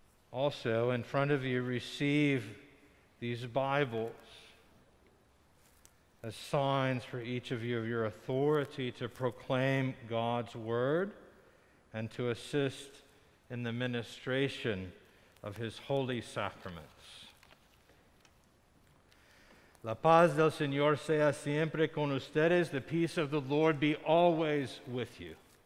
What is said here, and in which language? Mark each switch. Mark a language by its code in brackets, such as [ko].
[en] Also, in front of you, receive these Bibles as signs for each of you of your authority to proclaim God's word and to assist in the ministration of his holy sacraments. [es] La paz del Señor sea siempre con ustedes. [en] The peace of the Lord be always with you.